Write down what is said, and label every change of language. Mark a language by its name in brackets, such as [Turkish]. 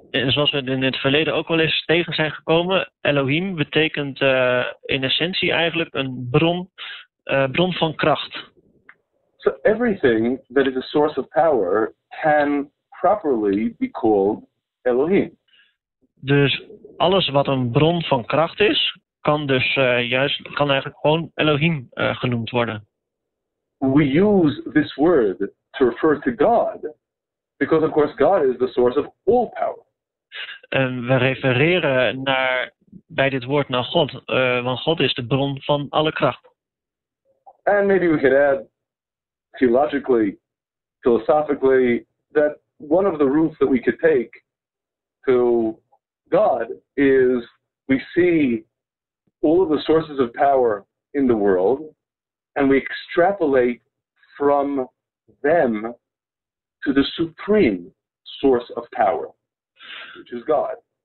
[Dutch] Zoals we in het verleden ook wel eens tegen zijn gekomen, Elohim betekent in essentie eigenlijk een bron van kracht. [English] So everything that is a source of power can properly be called Elohim. [Dutch] Dus alles wat een bron van kracht is, kan eigenlijk gewoon Elohim genoemd worden. [English] We use this word to refer to God, because of course God is the source of all power. [Dutch] En we refereren bij dit woord naar God, want God is de bron van alle kracht. [English] And maybe we could add theologically, philosophically, that one of the routes that we could take to God is we see all of the sources of power in the world and we extrapolate from them to the supreme source of power, which is God.